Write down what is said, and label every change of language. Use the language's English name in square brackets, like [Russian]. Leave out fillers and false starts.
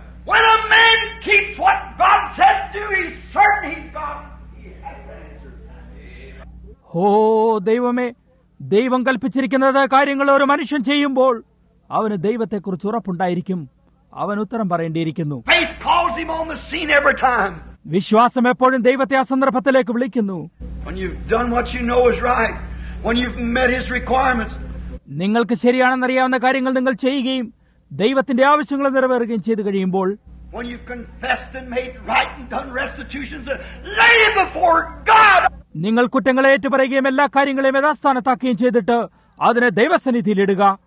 [English] When a man keeps what God said to him, he's certain he's God. He has [Malayalam] ഹോ ദൈവമേ, ദൈവം കൽപ്പിച്ചിരിക്കുന്നത് കാര്യങ്ങൾ ഒരു മനുഷ്യൻ ചെയ്യുമ്പോൾ അവന് ദൈവത്തെക്കുറിച്ച് ഉറപ്പുണ്ടായിരിക്കും, അവൻ ഉത്തരം പറയേണ്ടിയിരിക്കുന്നു. [English] Faith calls him on the scene every time. [Malayalam] വിശ്വാസം എപ്പോഴും ദൈവത്തെ ആ സന്ദർഭത്തിലേക്ക് വിളിക്കുന്നു. [English] When you've done what you know is right, when you've met his requirements, [Malayalam] നിങ്ങൾക്ക് ശരിയാണെന്ന് അറിയാവുന്ന കാര്യങ്ങൾ നിങ്ങൾ ചെയ്യുകയും ദൈവത്തിന്റെ ആവശ്യങ്ങൾ നിറവേറുകയും ചെയ്തു കഴിയുമ്പോൾ, [English] when you've confessed and made right and done restitutions, lay it before God. [Malayalam] നിങ്ങൾ കുറ്റങ്ങളെ ഏറ്റുപറയുകയും എല്ലാ കാര്യങ്ങളെയും യഥാസ്ഥാനത്താക്കുകയും ചെയ്തിട്ട് അതിനെ ദൈവസന്നിധിയിൽ ഇടുക.